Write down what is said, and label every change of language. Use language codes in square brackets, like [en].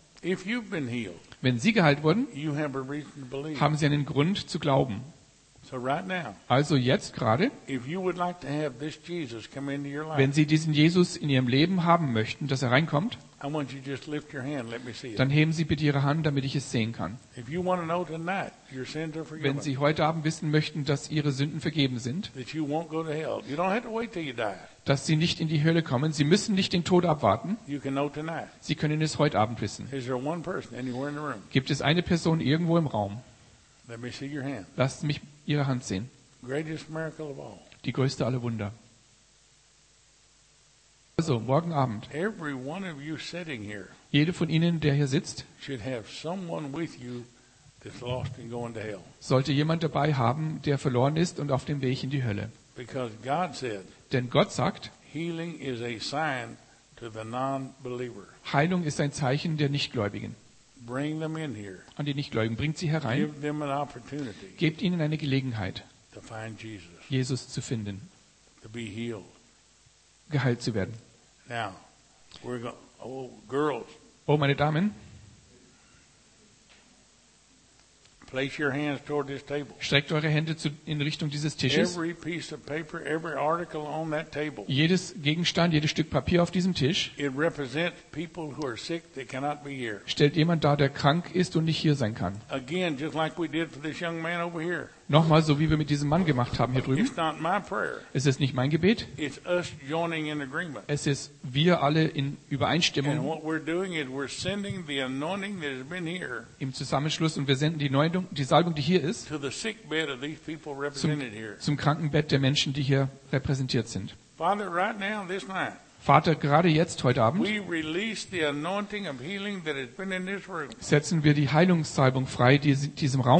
[de] Wenn Sie geheilt wurden, haben Sie einen Grund zu glauben. [en] So right now, [de] also jetzt gerade, [en] if you would like to have this Jesus come into your life, [de] wenn Sie diesen Jesus in Ihrem Leben haben möchten, dass er reinkommt, [en] I want you to just lift your hand, let me see it. [de] Dann heben Sie bitte Ihre Hand, damit ich es sehen kann. [en] If you want to know tonight, your sins are forgiven. [de] Wenn Sie heute Abend wissen möchten, dass Ihre Sünden vergeben sind, [en] that you won't go to hell. You don't have to wait till you die. [de] Dass Sie nicht in die Hölle kommen. Sie müssen nicht den Tod abwarten. [en] You can know tonight. [de] Sie können es heute Abend wissen. [en] Is there one person anywhere in the room? [de] Gibt es eine Person irgendwo im Raum? [en] Let me see your hand. [de] Lass mich Ihre Hand sehen. [en] Greatest miracle of all. [de] Die größte aller Wunder. Also, morgen Abend. [en] Every one of you sitting here, [de] jede von Ihnen, der hier sitzt, [en] should have someone with you that's lost and going to hell. [de] Sollte jemand dabei haben, der verloren ist und auf dem Weg in die Hölle. [en] Because God said, [de] denn Gott sagt, [en] healing is a sign to the non-believer. [de] Heilung ist ein Zeichen der Nichtgläubigen. [en] Bring them in here. [de] An die Nichtgläubigen, bringt sie herein. [en] Give them an opportunity, [de] gebt ihnen eine Gelegenheit, [en] to find Jesus, [de] Jesus zu finden, [en] to be healed, [de] geheilt zu werden. [en] Now, we're going, oh, girls, [de] oh, meine Damen, [en] place your hands toward this table. [de] Streckt eure Hände in Richtung dieses Tisches. [en] Every piece of paper, every article on that table, [de] jedes Gegenstand, jedes Stück Papier auf diesem Tisch, [en] it represents people who are sick that cannot be here. [de] Stellt jemand dar, der krank ist und nicht hier sein kann. [en] Again, just like we did for this young man over here. [de] Nochmal so, wie wir mit diesem Mann gemacht haben hier drüben. [en] It's not my prayer. [de] Es ist nicht mein Gebet. [en] It's us joining in agreement. [de] Es ist wir alle in Übereinstimmung. [en] And what we're doing is we're sending the anointing that has been here, [de] im Zusammenschluss, und wir senden die Neuung, die Salbung, die hier ist, [en] to the sick bed of these people represented here. [de] Zum Krankenbett der Menschen, die hier repräsentiert sind. [en] Father, right now, this night, [de] Vater, gerade jetzt, heute Abend, [en] we release the anointing of healing that has been in this room. [de] Setzen wir die Heilungssalbung frei, die in diesem Raum